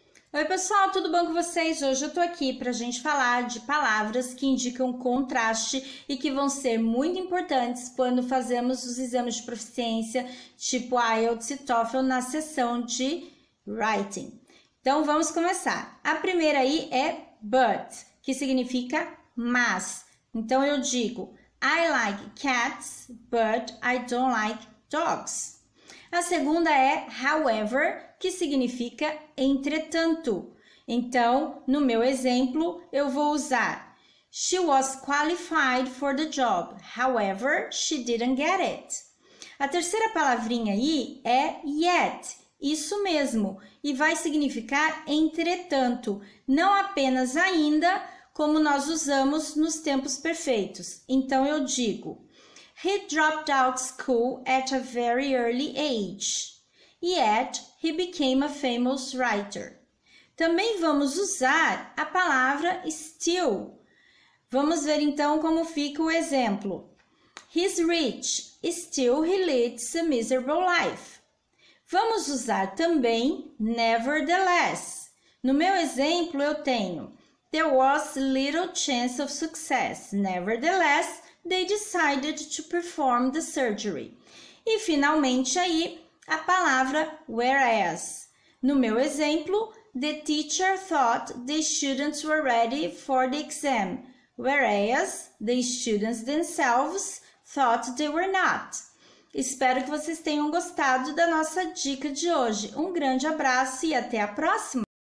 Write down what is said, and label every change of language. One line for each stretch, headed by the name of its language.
Portuguese: Oi, pessoal, tudo bom com vocês? Hoje eu tô aqui pra gente falar de palavras que indicam contraste e que vão ser muito importantes quando fazemos os exames de proficiência, tipo IELTS e TOEFL, na sessão de writing. Então vamos começar. A primeira aí é but, que significa mas. Então eu digo:
English: I like cats, but I don't like dogs.
Portuguese: A segunda é however, que significa entretanto. Então, no meu exemplo, eu vou usar:
English: She was qualified for the job. However, she didn't get it.
Portuguese: A terceira palavrinha aí é yet, isso mesmo, e vai significar entretanto, não apenas ainda, como nós usamos nos tempos perfeitos. Então, eu digo:
English: He dropped out school at a very early age. Yet he became a famous writer.
Portuguese: Também vamos usar a palavra still. Vamos ver então como fica o exemplo.
English: He's rich, still he leads a miserable life.
Portuguese: Vamos usar também nevertheless. No meu exemplo, eu tenho:
English: There was little chance of success. Nevertheless, they decided to perform the surgery.
Portuguese: E finalmente aí a palavra whereas. No meu exemplo,
English: the teacher thought the students were ready for the exam, whereas the students themselves thought they were not.
Portuguese: Espero que vocês tenham gostado da nossa dica de hoje. Um grande abraço e até a próxima!